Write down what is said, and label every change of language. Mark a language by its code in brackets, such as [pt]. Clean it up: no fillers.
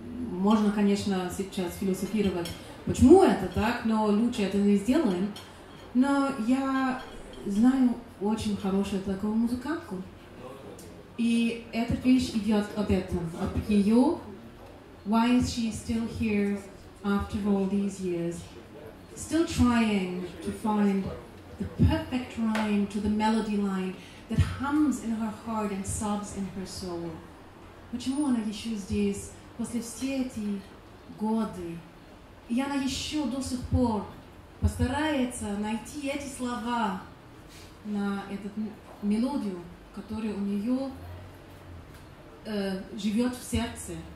[ru] Можно, конечно, сейчас философировать, почему это так, но лучше это не сделаем. Но я знаю очень хорошую такую музыкантку, и эта вещь идет об этом, об ее. [en] Why is she still here after all these years? Still trying to find the perfect rhyme to the melody line that hums in her heart and sobs in her soul. [ru] Почему она еще здесь после всех этих годов? И она еще до сих пор постарается найти эти слова на эту мелодию, которая у нее живет в сердце.